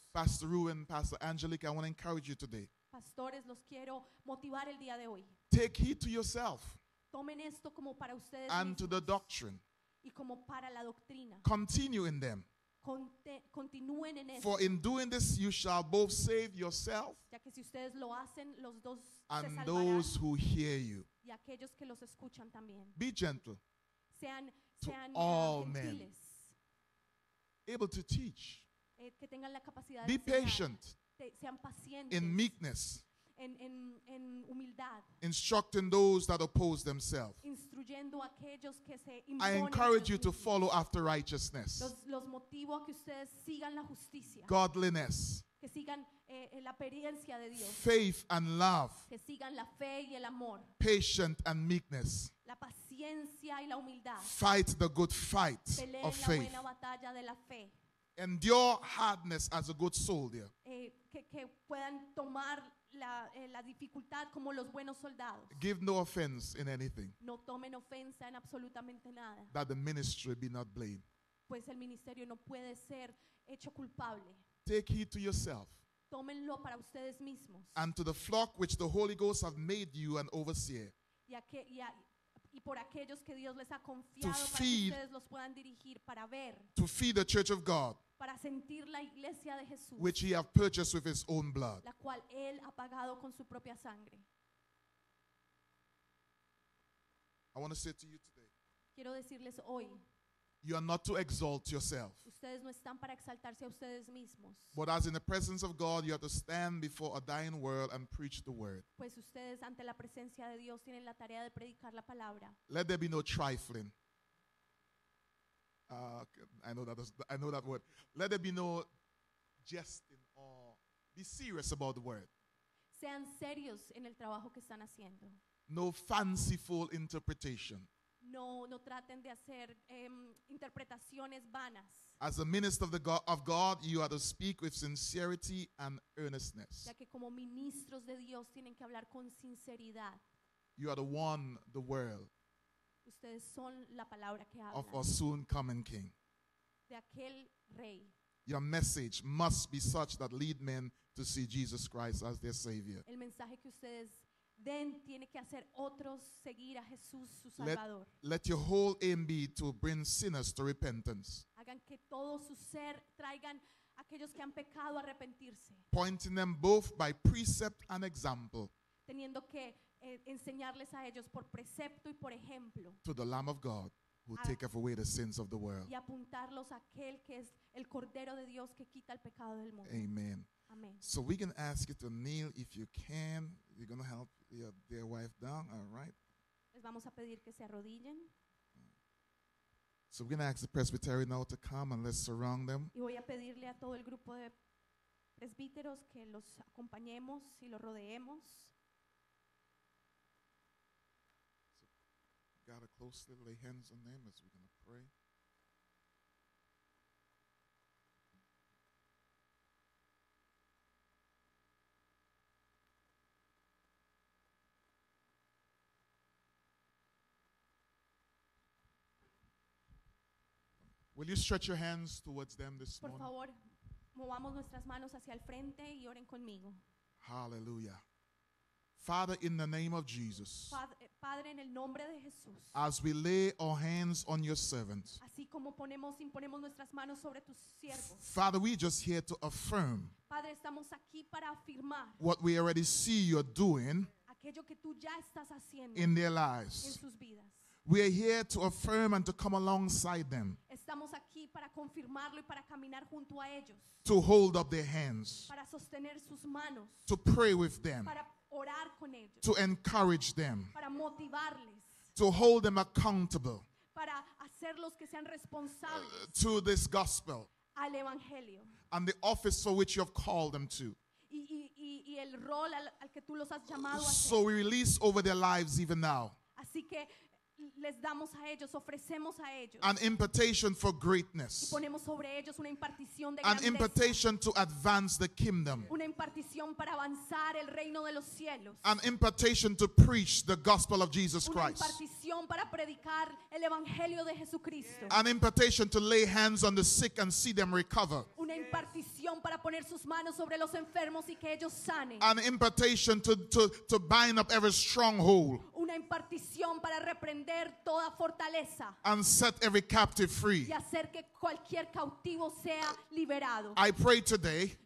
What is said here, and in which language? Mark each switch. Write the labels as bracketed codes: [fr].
[en] Pastor Ruben, Pastor Angelica, I want to encourage you today. [es] Pastores, los quiero motivar el día de hoy. [en] Take heed to yourself. [es] Tomen esto como para ustedes [en] and [es] mismos. [en] To the doctrine. [es] Y como para la doctrina. [en] Continue in them. [es] Continúen en esto. [en] For in doing this you shall both save yourself [es] ya que si ustedes lo hacen, los dos [en] and [es] se salvarán. [en] Those who hear you. [es] Y aquellos que los escuchan también. [en] Be gentle. [es] Sean, [en] to [es] sean [en] all [es] gentiles. [en] Men. Able to teach. [es] Que tengan la capacidad [en] be [es] de [en] patient. [es] Sean pacientes. [en] In meekness. [es] En humildad. [en] Instructing those that oppose themselves. [es] Instruyendo aquellos que se imponen. [en] I encourage you to follow after righteousness. [es] Los motivo a que ustedes sigan la justicia. [en] Godliness. [es] Que sigan la apariencia de Dios. [en] Faith and love. [es] Que sigan la fe y el amor. [en] Patient and meekness. [es] La paciencia y la humildad. [en] Fight the good fight [es] Peleen [en] of faith. [es] La buena batalla de la fe. [en] Endure hardness as a good soldier. [es] Que puedan tomar la dificultad como los buenos soldados. [en] Give no offense in anything. [es] No tomen ofensa en absolutamente nada. [en] That the ministry be not blamed. [es] Pues el ministerio no puede ser hecho culpable. [en] Take heed to yourself. [es] Tómenlo para ustedes mismos. [en] And to the flock which the Holy Ghost have made you an overseer. [es] Y por aquellos que Dios les ha confiado para que ustedes los puedan dirigir para ver. [en] To feed the church of God. [es] Para sentir la iglesia de Jesús. [en] Which he have purchased with his own blood. [es] La cual él ha pagado con su propia sangre. [en] I want to say to you today. [es] Quiero decirles hoy. [en] You are not to exalt yourself. [es] Ustedes no están para exaltarse a ustedes mismos. [en] But as in the presence of God, you have to stand before a dying world and preach the word. [es] Pues ustedes ante la presencia de Dios tienen la tarea de predicar la palabra. [en] Let there be no trifling. I know that word. Let there be no jesting or be serious about the word. [es] Sean serios en el trabajo que están haciendo. [en] No fanciful interpretation. [es] No traten de hacer interpretaciones vanas. [en] As a minister of God, you are to speak with sincerity and earnestness. [es] Ya que como ministros de Dios tienen que hablar con sinceridad. [en] You are the one, the world. [es] Ustedes son la palabra que hablan. [en] Of our soon coming King. [es] De aquel rey. [en] Your message must be such that lead men to see Jesus Christ as their Savior. [es] El mensaje que ustedes den tiene que hacer otros seguir a Jesús su Salvador. [en] Let your whole aim be to bring sinners to repentance. [es] Hagan que todo su ser traigan aquellos que han pecado a arrepentirse. [en] Pointing them both by precept and example. [es] Teniendo que enseñarles a ellos por precepto y por ejemplo. [en] To the Lamb of God who taketh away the sins of the world. [es] Y apuntarlos a aquel que es el Cordero de Dios que quita el pecado del mundo. [en] Amen. So we can ask you to kneel if you can. You're going to help your dear wife down, all right? [es] Les vamos a pedir que se arrodillen. [en] So we're going to ask the presbytery now to come and let's surround them. [es] Y voy a pedirle a todo el grupo de presbíteros que los acompañemos y los rodeemos. [en] So got to closely lay hands on them as we're going to pray. Will you stretch your hands towards them this [es] Por [en] morning? [es] Favor, movamos nuestras manos hacia el frente y oren conmigo. [en] Hallelujah. Father, in the name of Jesus, [es] Padre, en el nombre de Jesús, [en] as we lay our hands on your servant, [es] así como imponemos nuestras manos sobre tus siervos, [en] Father, we're just here to affirm [es] Padre, estamos aquí para afirmar [en] what we already see you're doing [es] aquello que tú ya estás haciendo [en] in their lives. [es] En sus vidas. [en] We are here to affirm and to come alongside them. [es] Estamos aquí para confirmarlo y para caminar junto a ellos. [en] To hold up their hands. [es] Para sostener sus manos. [en] To pray with them. [es] Para orar con ellos. [en] To encourage them. [es] Para motivarles. [en] To hold them accountable. [es] Para hacerlos que sean responsables. [en] To this gospel. [es] Al evangelio. [en] And the office for which you have called them to. [es] Y el rol al que tú los has llamado a hacer. [en] So we release over their lives even now. [es] Así que les damos a ellos, ofrecemos a ellos. [en] An impartation for greatness. [es] Y ponemos sobre ellos una impartición de [en] an impartation to advance the kingdom. [es] Una impartición para avanzar el reino de los cielos. [en] An impartation to preach the gospel of Jesus Christ. [es] Una impartición para predicar el evangelio de Jesucristo. [en] An impartation to lay hands on the sick and see them recover. [es] Una impartición para poner sus manos sobre los enfermos y que ellos sanen. [en] An impartation to bind up every stronghold. [es] Una impartición para reprender toda fortaleza. [en] And set every captive free. [es] Y hacer que cualquier cautivo sea liberado. [en] I pray today.